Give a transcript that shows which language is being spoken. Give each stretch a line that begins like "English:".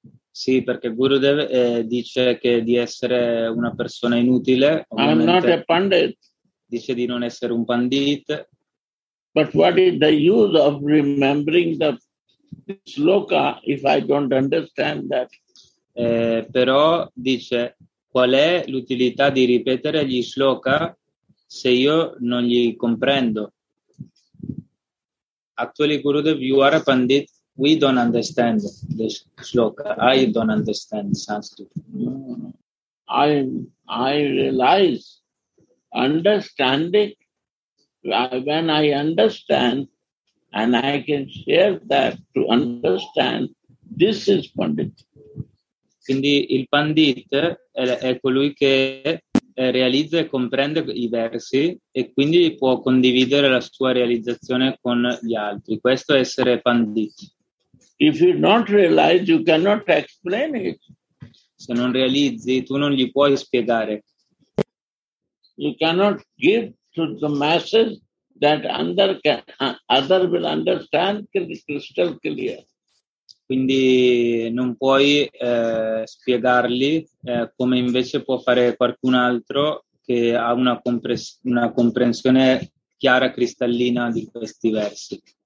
Italian: Sì, perché Gurudev dice che di essere una persona inutile.
English: I'm not a pandit.
Italian: Dice di non essere un pandit.
English: But what is the use of remembering the sloka if I don't understand that?
Italian: Però dice qual è l'utilità di ripetere gli sloka se io non li comprendo.
English: Actually, Gurudev, you are a pandit. We don't understand this sloka. I don't understand Sanskrit. I realize understanding. When I understand and I can share that to understand, this is pandit.
Italian: Quindi il pandit è colui che realizza e comprende i versi e quindi può condividere la sua realizzazione con gli altri. Questo è essere pandit.
English: If you don't realize, you cannot explain it.
Italian: Se non realizzi, tu non gli puoi spiegare.
English: You cannot give to the masses that other will understand crystal clear.
Italian: Quindi non puoi spiegarli come invece può fare qualcun altro che ha una comprensione chiara, cristallina di questi versi.